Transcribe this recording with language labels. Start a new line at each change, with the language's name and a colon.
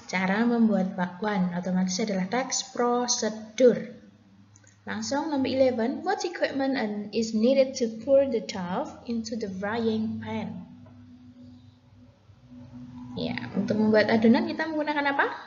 Indonesian: Cara membuat bakwan otomatis adalah teks prosedur. Langsung number 11.
English: What equipment is needed to pour the dough into the frying pan?
Indonesian: Ya, untuk membuat adonan kita menggunakan apa?